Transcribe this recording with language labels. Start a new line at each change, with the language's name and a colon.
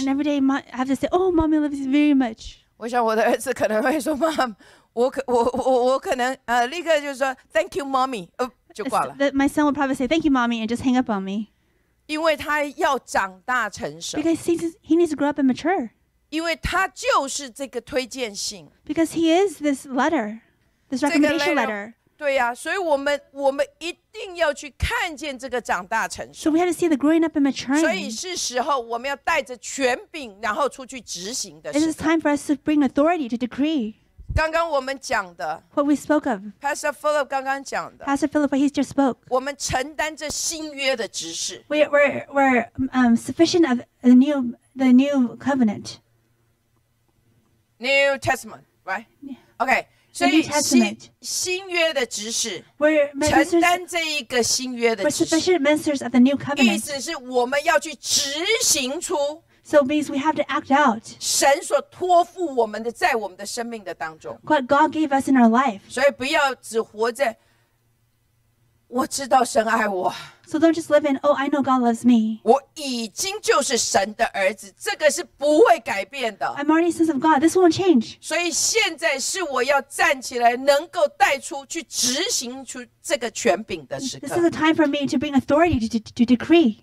English: And every day, I have to say, oh, mommy loves you very much.
Chinese: 我想我的儿子可能会说，妈，我可能立刻就说 ，
English: Thank you, mommy.
Chinese: 就挂了。
English: My son would probably say, "Thank you, mommy," and just hang up on me.
Chinese: 因为他要长大成熟。
English: Because he needs to grow up and mature.
Chinese: 因为他就是这个推荐信。
English: Because he is this letter, this recommendation letter.
Chinese: 对呀，所以我们一定要去看见这个长大成熟。
English: So we have to see the growing up and maturing.
Chinese: 所以是时候我们要带着权柄，然后出去执行的时候。
English: It is time for us to bring authority to decree.
Chinese: 刚刚我们讲的
English: ，What we spoke of，
Chinese: Pastor Philip 刚刚讲的
English: ，Pastor Philip he just spoke。
Chinese: 我们承担着新约的执事
English: ，We're sufficient of the new covenant， New Testament， right？ OK，
Chinese: 所以新约的执事
English: ，We're
Chinese: 承担这一个新约的执事
English: ，We're sufficient ministers of the new covenant。
Chinese: 意思是我们要去执行出。
English: So it means we have to act out.
Chinese: 神所托付我们的，在我们的生命的当中。
English: What God gave us in our life.
Chinese: 所以不要只活在。我知道神爱我。
English: So don't just live in, oh, I know God loves me.
Chinese: 我已经就是神的儿子，这个是不会改变的。
English: I'm already sons of God. This won't change.
Chinese: 所以现在是我要站起来，能够带出去执行出这个权柄的时刻。
English: This is the time for me to bring authority to decree.